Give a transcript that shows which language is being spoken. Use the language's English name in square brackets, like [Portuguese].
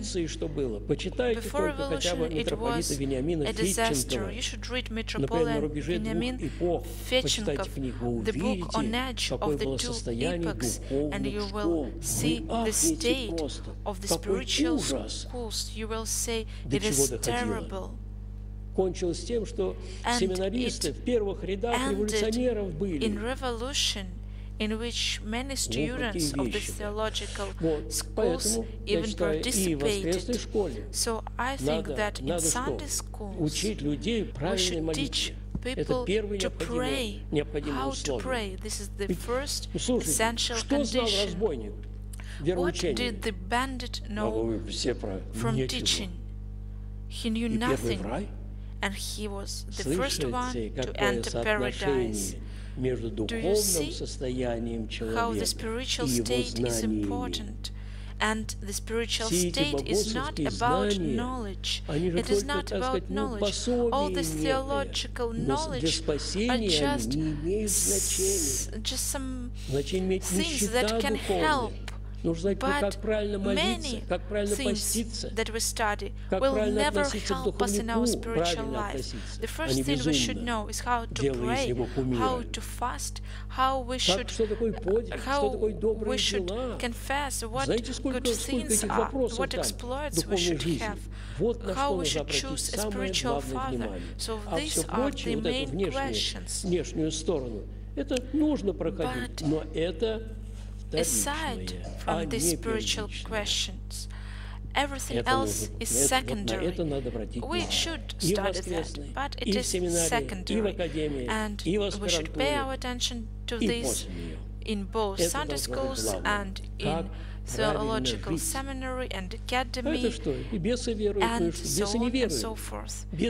[English] it was a disaster. You should read Metropolitan Benjamin Fetchenkov, the book on edge of the two epochs, and you will see the state of the spiritual schools. You will say it is terrible. [Russian] Кончилось тем, что семинаристы в первых рядах революционеров были. [English] In revolution, in which many students of the theological schools even participated. So I think that in Sunday schools we should teach people to pray. How to pray? This is the first essential condition. What did the bandit know from teaching? He knew nothing. And he was the first one to enter paradise. [Russian] Между духовным состоянием человека и его знаниями. Все эти богословские знания, они же только, так сказать, пособия, для спасения не имеют значения. Значение имеет нищета духовная. Нужно знать, [English] but [Russian] как правильно молиться, как правильно поститься, [English] that we study will never help us in our spiritual life. The first thing we should know is how to pray, how to fast, how we should, how we should confess, what good things are, what exploits we should have, how we should choose a spiritual father. So these are the main questions. Внешнюю сторону. Это нужно проходить, но это aside from the spiritual questions, everything else is secondary. We should study that, but it is secondary. And we should pay our attention to this in both Sunday schools and in theological seminary and academy, and so on and so forth.